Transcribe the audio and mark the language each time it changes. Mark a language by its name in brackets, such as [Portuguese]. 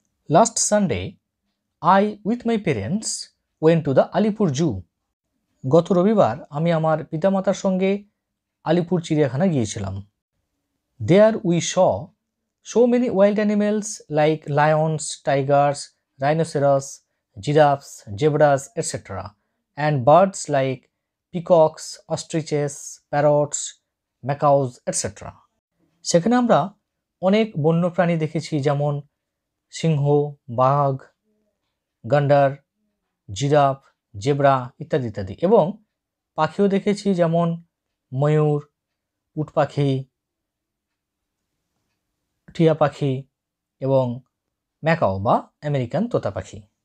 [English] last Sunday I with my parents went to the Alipur zoo, [Bangla] গত রবিবার আমি আমার পিতামাতার সঙ্গে আলিপুর চিড়িয়াখানা গিয়েছিলাম। [English] There we saw so many wild animals like lions, tigers, rhinoceros, giraffes, zebras etcetera, and birds like peacocks, ostriches, parrots, macaws, etc. [Bangla] সেখানে আমরা অনেক বন্য প্রাণী দেখেছি, যেমন সিংহ, বাঘ, গন্ডার, জিরাফ, জেব্রা ইত্যাদি ইত্যাদি, এবং পাখিও দেখেছি, যেমন ময়ূর, উটপাখি, টিয়া পাখি এবং ম্যাকাও বা আমেরিকান তোতা পাখি।